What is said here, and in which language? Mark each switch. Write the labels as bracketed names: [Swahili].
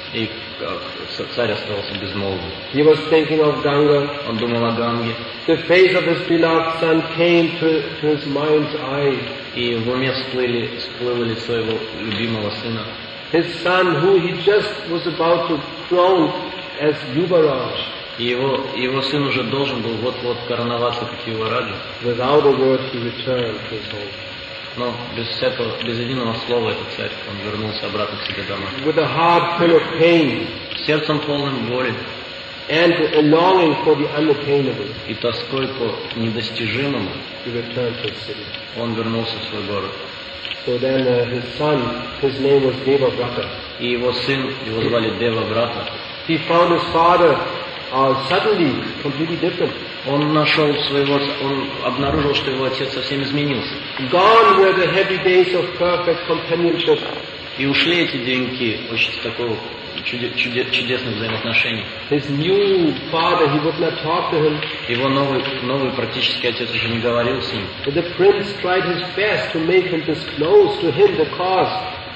[Russian] И царь оставался безмолвным. [English] He was thinking of Ganga. [Russian] Он думал о Ганге. [English] The face of his beloved son came to his mind's eye. [Russian] И в уме всплыло лицо его любимого сына. [English] His son, who he just was about to crown as Yuvaraj. [Russian] Его сын уже должен был вот-вот короноваться как Ювараджа. [English] Without a word, he returned to his home. [Russian] Но без всякого, без единого слова этот царь, он вернулся обратно к себе домой. [English] With a heart full of pain. [Russian] Сердцем полным боли. [English] And a longing for the unattainable. [Russian] И тоской по недостижимому. [English] He returned to his city. [Russian] Он вернулся в свой город. [English] So then his son, his name was Devavrata. [Russian] И его сын, его звали Девабрата. [English] He found his father suddenly completely different. [Russian] Он нашел своего, он обнаружил, что его отец совсем изменился. [English] Gone were the happy days of perfect companionship. [Russian] И ушли эти деньки очень такого чудесных взаимоотношений. [English] His new father, he would not talk to him. [Russian] Его новый практически отец уже не говорил с ним. [English] But the prince tried his best to make him disclose to him the cause.